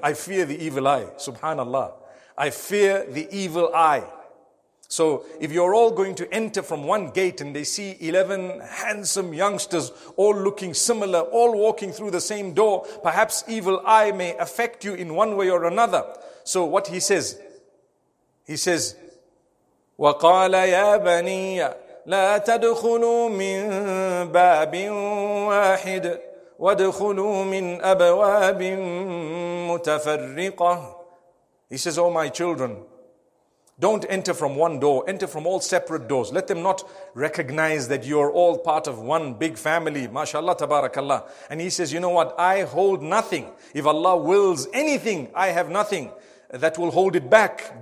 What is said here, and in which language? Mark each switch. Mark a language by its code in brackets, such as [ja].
[en] I fear the evil eye, subhanallah. I fear the evil eye. So if you're all going to enter from one gate and they see 11 handsome youngsters all looking similar, all walking through the same door, perhaps evil eye may affect you in one way or another. So what he says, [ar] وَقَالَ يَا بَنِيَّ لَا تَدْخُلُوا مِن بَابٍ وَاحِدٍ وَادْخُلُوا مِن أَبْوَابٍ مُتَفَرِّقَةٍ. [en] He says, oh my children, don't enter from one door, enter from all separate doors. Let them not recognize that you're all part of one big family. MashaAllah, tabarakAllah. And he says, you know what? I hold nothing. If Allah wills anything, I have nothing that will hold it back.